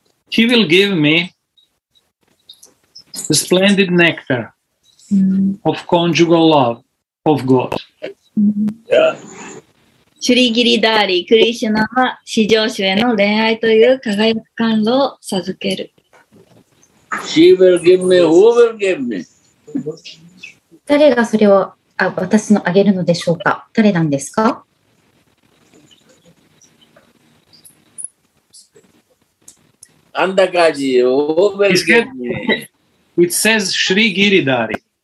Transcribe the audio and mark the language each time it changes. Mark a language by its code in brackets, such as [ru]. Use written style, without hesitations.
[en] He will give me the splendid nectar of conjugal love of God. [ja] シュリギリダーリ、クリシュナは至上主への恋愛という輝く甘露を授ける。 [en] She will give me, who will give me? [ja] 誰がそれを私のあげるのでしょうか？誰なんですか？ [en] アンダガジ、who will give me? It says Shri Giridhari.